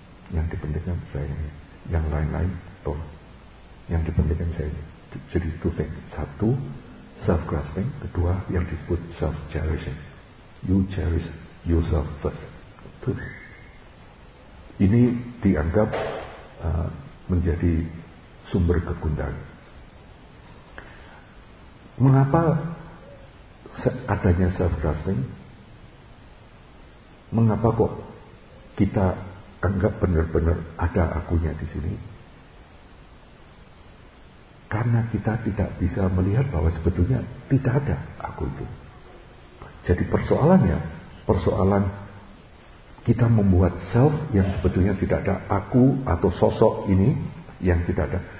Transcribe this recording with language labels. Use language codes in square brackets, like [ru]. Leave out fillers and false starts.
[id] Yang dipentingkan sayanya. Yang lain-lain, toh. Yang dipentingkan sayanya. Jadi [en] two things. [id] Satu, self-grasping, kedua yang disebut self-cherishing. [en] You cherish yourself first. [id] Ini dianggap menjadi sumber kegundahan. Mengapa adanya self-grasping? Mengapa kok kita anggap benar-benar ada akunya di sini? Karena kita tidak bisa melihat bahwa sebetulnya tidak ada aku itu. Jadi persoalannya, persoalan kita membuat self yang sebetulnya tidak ada aku atau sosok ini yang tidak ada.